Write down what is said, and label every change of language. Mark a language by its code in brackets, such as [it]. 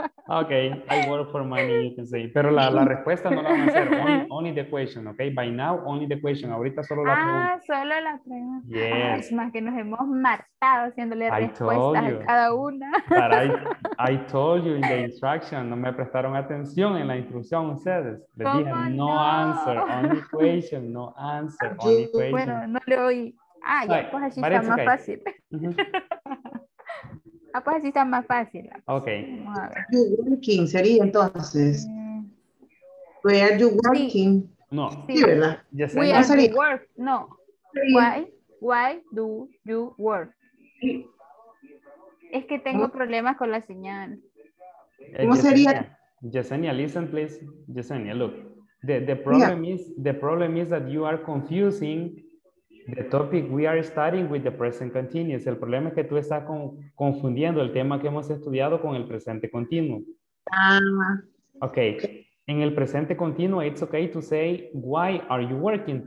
[en] Okay, I work for money, you can say. [es] Pero la respuesta no la van a hacer. [en] Only the question, okay? By now, only the question. [es] Ahorita solo la pregunta. Ah, solo la pregunta. [en] Yes. [es] Ay, es más que nos hemos matado haciéndole respuestas a cada una. [en] But I told you in the instruction. [es] No me prestaron atención en la instrucción ustedes. Les dije, [en] no answer, only question, no answer, only question. [es] Bueno, no le oí. Ah, ya, pues así está más fácil. Mm-hmm. Ah, pues así está más fácil. [en] Ok. You working [es] sería entonces. [en] Where are you working? [es] Sí. No. Sí, ¿verdad? [en] Yes, we are sería. Work. No. Sí. Why do you work? Sí. [es] Es que tengo problemas con la señal. ¿Cómo sería? [en] Yesenia, listen, please. Yesenia, look. The problem is that you are confusing the topic we are studying with the present continuous. [es] El problema es que tú estás confundiendo el tema que hemos estudiado con el presente continuo. [en] Okay. [es] En el presente continuo, [en] it's okay to say, why are you working?